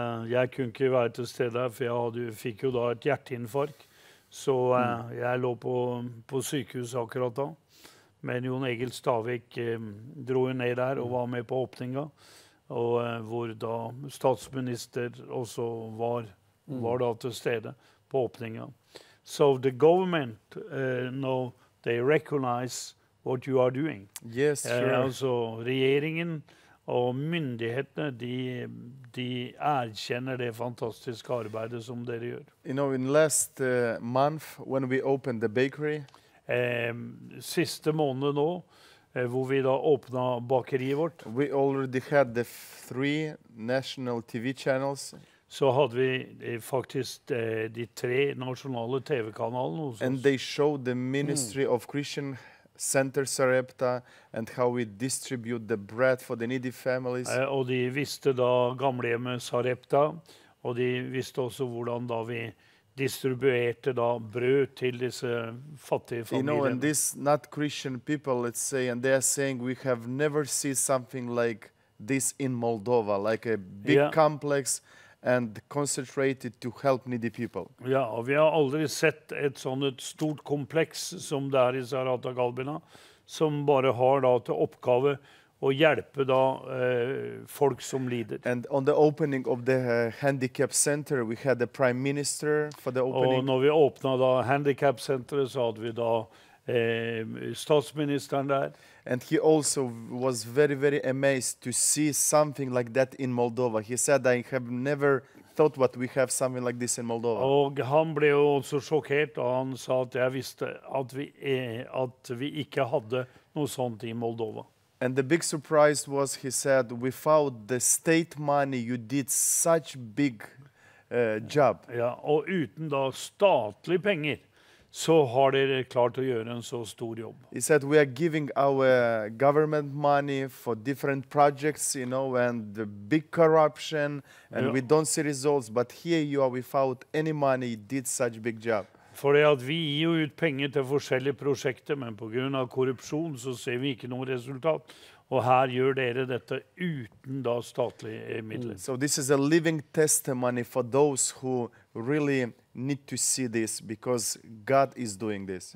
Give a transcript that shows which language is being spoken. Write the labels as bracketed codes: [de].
[no] Jeg kunne ikke være til sted der, for jeg fikk jo da et hjerteinfarkt. Så jeg lå på sykehus akkurat da. Men Jon Egil Stavik dro ned der og var med på åpningen. Og hvor da statsminister også var da til stede på åpningen. [en] So the government know they recognize what you are doing. Yes, sure. [no] Altså regjeringen og myndighetene, de erkjenner det fantastiske arbeidet som dere gjør. [en] You know, in last month, when we opened the bakery. [no] Siste måned nå, hvor vi da åpnet bakeriet vårt. [en] We already had the 3 national TV channels. [no] Så hadde vi faktisk de 3 nasjonale TV-kanalene hos oss. [en] And they showed the Ministry of Christian Center Sarepta and how we distribute the bread for the needy families. [no] Og de visste da gamlehjemmet Sarepta, og de visste også hvordan da vi distribuerte da brød til disse fattige familiene. [en] You know, and these not Christian people, let's say, and they are saying we have never seen something like this in Moldova, like a big complex and concentrated to help needy people. [no] Ja, og vi har aldri sett et sånt et stort kompleks som det I Sarat og Galbena, som bare har da til oppgave å hjelpe da folk som lider. [en] And on the opening of the handicap center, we had the prime minister for the opening. [no] Og når vi åpnet da handicap centeret, så hadde vi da statsministeren der. [en] And he also was very, very amazed to see something like that in Moldova. He said, I have never thought what we have something like this in Moldova. [no] Og han ble jo også sjokkert, og han sa at jeg visste at vi ikke hadde noe sånt I Moldova. [en] And the big surprise was, he said, without the state money, you did such big job. [no] Ja, og uten da statlige penger, så har dere klart å gjøre en så stor jobb. [en] He said, we are giving our government money for different projects, you know, and the big corruption, and ja. We don't see results, but here you are without any money, you did such big job. [no] Fordi at vi gir jo ut penger til forskjellige prosjekter, men på grunn av korrupsjon så ser vi ikke noe resultat. Og her gjør dere dette uten da statlige midler. [en] So this is a living testimony for those who really need to see this, because God is doing this.